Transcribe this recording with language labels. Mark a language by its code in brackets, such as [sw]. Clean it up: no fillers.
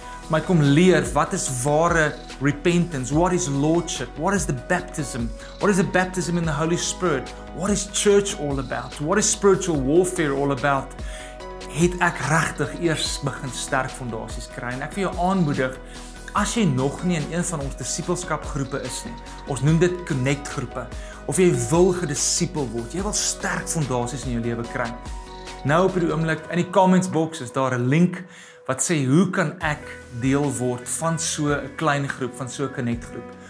[af] My kom leer wat is ware [en] repentance, what is lordship, what is the baptism, what is the baptism in the Holy Spirit, what is church all about, what is spiritual warfare all about. [af] Het ek regtig eers begin sterk fondasies kry en ek wil jou aanmoedig. As jy nog nie in een van ons disipelskapgroepe is nie, ons noem dit connect groepe, of jy wil gedisipel word, jy wil sterk fondasies in jou lewe kry, nou op die oomblik in die comments box is daar 'n link wat sê hoe kan ek deel word van so 'n klein groep, van so 'n connect groep.